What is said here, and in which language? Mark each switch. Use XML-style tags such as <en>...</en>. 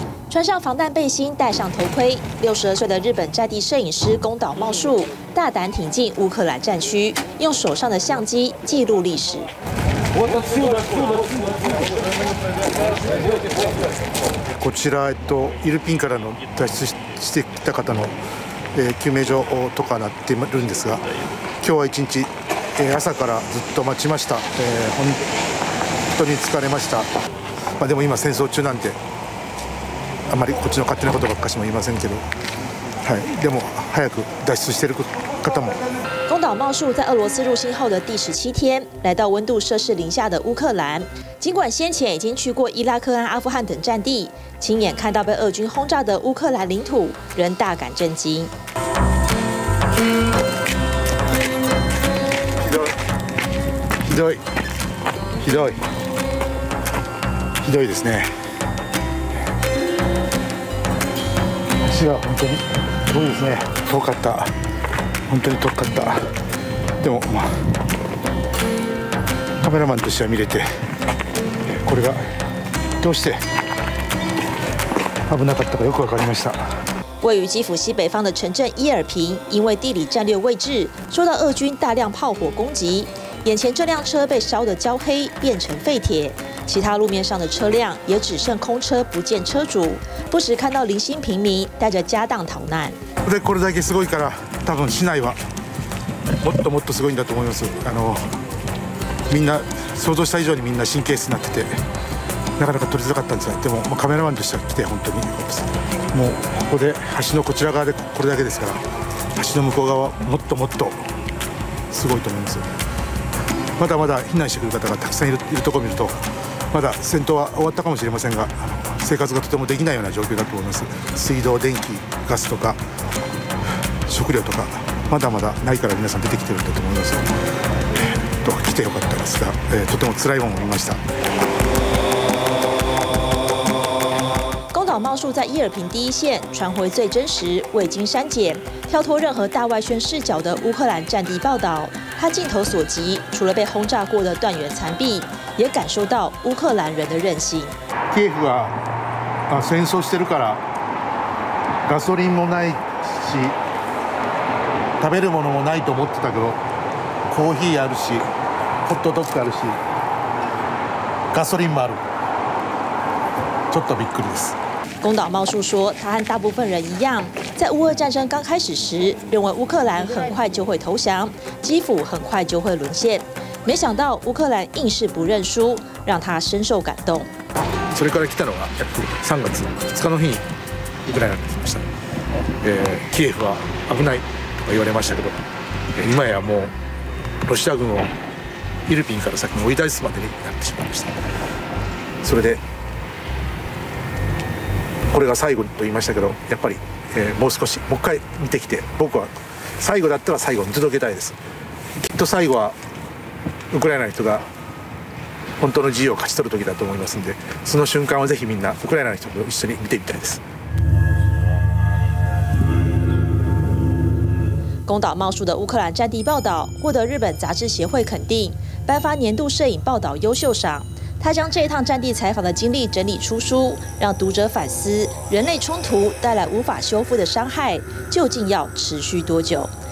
<zh>穿上防弹背心，戴上头盔，62岁的日本在地摄影师宫岛茂树大胆挺进乌克兰战区，用手上的相机记录历史。</zh> <ja>こちらイルピンからの脱出してきた方の救命所とかなっているんですが、今日は一日朝からずっと待ちました。本当に疲れました。まあでも今戦争中なんで、あまりこっちの勝手なことばっかしも言いませんけど、はい。でも早く脱出している方も。</ja> <zh>宫岛茂树在俄罗斯入侵后的第17天，来到温度摄氏零下的乌克兰。尽管先前已经去过伊拉克和阿富汗等战地，亲眼看到被俄军轰炸的乌克兰领土，仍大感震惊。</zh> <ja>ひどい。ひどい。ひどいですね。足が本当にすごいですね。遠かった。本当に遠かった。でもまあカメラマンとしては見れて、これがどうして危なかったかよくわかりました。</ja> <zh>位于基辅西北方的城镇伊尔平，因为地理战略位置，受到俄军大量炮火攻击。眼前这辆车被烧得焦黑，变成废铁。其他路面上的车辆也只剩空车，不见车主。不时看到零星平民带着家当逃难。</zh> <ja>でこれだけすごいから、多分市内はもっともっとすごいんだと思います。みんな想像した以上にみんな神経質になってて、なかなか撮りづらかったんですが、でもカメラマンとしては来て本当に良かったです。もうここで橋のこちら側でこれだけですから、橋の向こう側はもっともっとすごいと思います。まだまだ避難してくる方がたくさんいるところを見ると、まだ戦闘は終わったかもしれませんが、生活がとてもできないような状況だと思います。水道、電気、ガスとか食料とかまだまだないから皆さん出てきてるんだと思います。来てよかったですが、とても辛いものを見ました。</ja> <zh>宫岛茂树在伊尔平第一线，传回最真实、未经删减、跳脱任何大外宣视角的乌克兰战地报道。他镜头所及，除了被轰炸过的断垣残壁，也感受到乌克兰人的韧性。</zh> <ja>キエフは戦争してるから、ガソリンもないし、食べるものもないと思ってたけど、コーヒーあるし、ホットドッグあるし、ガソリンもある。ちょっとびっくりです。</ja> <zh>宫岛茂树说，他和大部分人一样，在乌俄战争刚开始时，认为乌克兰很快就会投降，基辅很快就会沦陷。没想到乌克兰硬是不认输，让他深受感动。</zh> <ja>それから来たのは約3月2日の日にウクライナに来ました。キエフは危ないと言われましたけど、今やもうロシア軍をイルピンから先に追い出すまでになってしまいました。それでこれが最後と言いましたけど、やっぱり、もう少しもう一回見てきて、僕は最後だったら最後に届けたいです。きっと最後はウクライナの人が本当の自由を勝ち取る時だと思いますので、その瞬間をぜひみんなウクライナの人と一緒に見てみたいです。</ja> <zh>宫岛茂树的乌克兰战地报道获得日本杂志协会肯定，颁发年度摄影报道优秀赏。他将这一趟战地采访的经历整理出书，让读者反思人类冲突带来无法修复的伤害究竟要持续多久。</zh>